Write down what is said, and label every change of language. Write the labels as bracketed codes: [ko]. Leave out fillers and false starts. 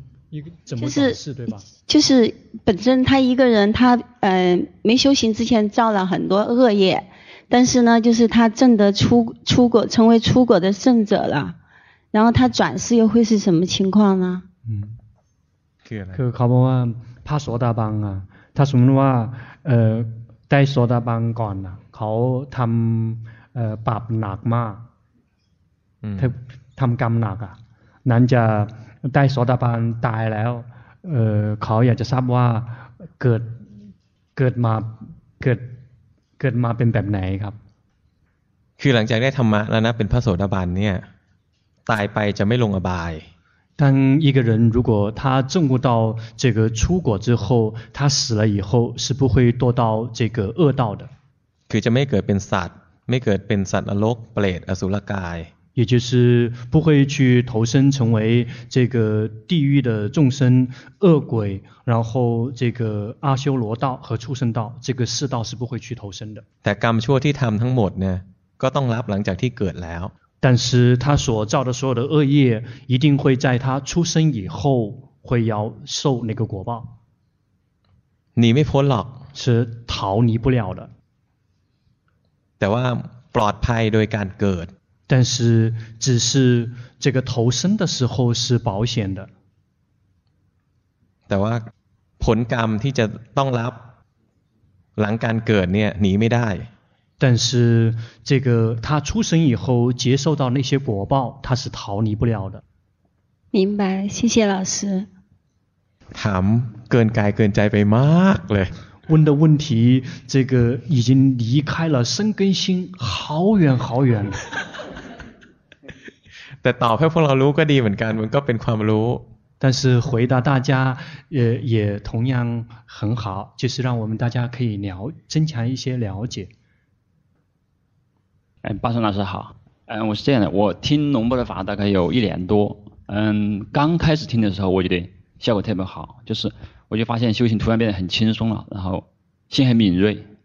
[zh] 一个怎么转世、就是、对吧就是本身他一个人他没修行之前造了很多恶业但是呢就是他证得出果成为出果的圣者了然后他转世又会是什么情况呢 [th] คือเขาบอกว่าพระโสดาบันอ่ะถ้าสมมติว่าได้โสดาบันก่อนอ่ะเขาทำบาปหนักมากทำกรรมหนักอ่ะนั้นจะได้โสดาบันตายแล้วเขาอยากจะทราบว่าเกิดมาเป็นแบบไหนครับ คือหลังจากได้ธรรมะแล้วนะเป็นพระโสดาบันเนี่ยตายไปจะไม่ลงอบาย [zh] 当一个人如果他证悟到这个出果之后他死了以后是不会堕到这个恶道的 [th] คือจะไม่เกิดเป็นสัตว์ไม่เกิดเป็นสัตว์นรกเปรตอสุรกาย [zh] 也就是不会去投身成为这个地狱的众生恶鬼然后这个阿修罗道和畜生道这个四道是不会去投身的 [th] แต่กรรมชั่วที่ทำทั้งหมดเนี่ยก็ต้องรับหลังจากที่เกิดแล้ว [zh] 但是他所造的所有的恶业一定会在他出生以后会要受那个果报 [th] หนีไม่พ้นหรอก [zh] 是逃离不了的 [th] แต่ว่าปลอดภัยโดยการเกิด [zh] 但是只是这个投生的时候是保险的 [th] แต่ว่าผลกรรมที่จะต้องรับหลังการเกิดเนี่ยหนีไม่ได้ [zh] 但是这个他出生以后接受到那些果报他是逃离不了的明白谢谢老师 [th] ถามเกินกายเกินใจไปมากเลย [zh] 问的问题这个已经离开了身跟心好远好远 [th] แต่ตอบให้พวกเรารู้ก็ดีเหมือนกันมันก็เป็นความรู้ [zh] 但是回答大家也同样很好，就是让我们大家可以了增强一些了解。哎，巴松老师好。嗯，我是这样的，我听龙波的法大概有一年多。嗯，刚开始听的时候我觉得效果特别好，就是我就发现修行突然变得很轻松了，然后心很敏锐。